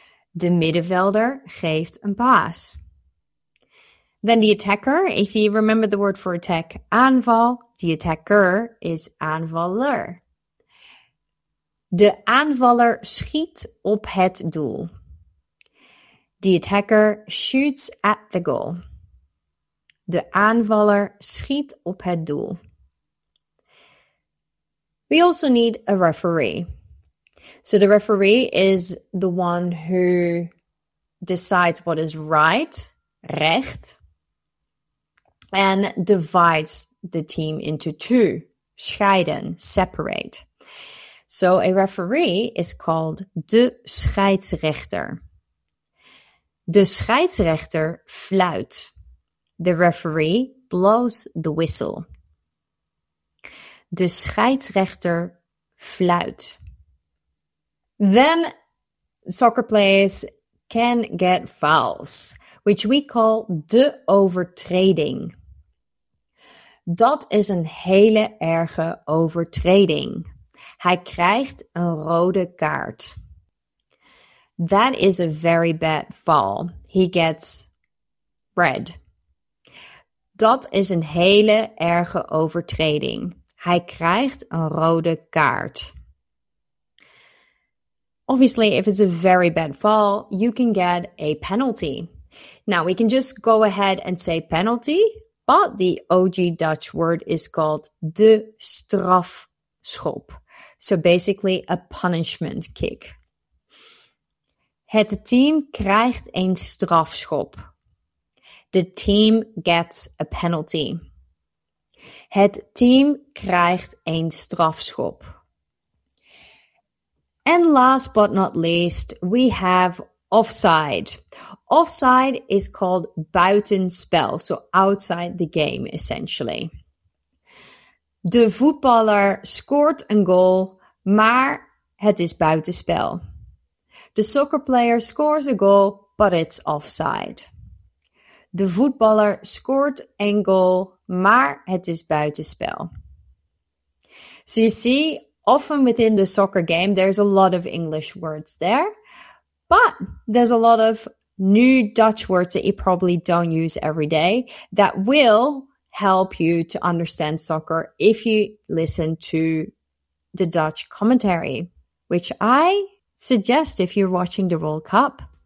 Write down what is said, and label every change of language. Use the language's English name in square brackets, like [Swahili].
[Dutch] De middenvelder geeft een pass. [English] Then the attacker, if you remember the word for attack, aanval, the attacker is aanvaller. [Dutch] De aanvaller schiet op het doel. [English] The attacker shoots at the goal. [Dutch] De aanvaller schiet op het doel. [English] We also need a referee. So the referee is the one who decides what is right, recht, and divides the team into two, scheiden, separate. So a referee is called de scheidsrechter. [Dutch] De scheidsrechter fluit. [English] The referee blows the whistle. [Dutch] De scheidsrechter fluit. [English] Then soccer players can get fouls, which we call de overtreding. [Dutch] Dat is een hele erge overtreding. Hij krijgt een rode kaart. [English] That is a very bad foul. He gets red. [Dutch] Dat is een hele erge overtreding. Hij krijgt een rode kaart. [English] Obviously, if it's a very bad foul, you can get a penalty. Now, we can just go ahead and say penalty, but the OG Dutch word is called de strafschop. So basically, a punishment kick. [Dutch] Het team krijgt een strafschop. [English] The team gets a penalty. [Dutch] Het team krijgt een strafschop. [English] And last but not least, we have offside. Offside is called buitenspel, so outside the game, essentially. [Dutch] De voetballer scoort een goal, maar Het is buitenspel. [English] The soccer player scores a goal, but it's offside. [Dutch] De voetballer scoort een goal, maar het is buitenspel. [English] So you see, often within the soccer game, there's a lot of English words there, but there's a lot of new Dutch words that you probably don't use every day that will help you to understand soccer if you listen to the Dutch commentary, which I suggest if you're watching the World Cup.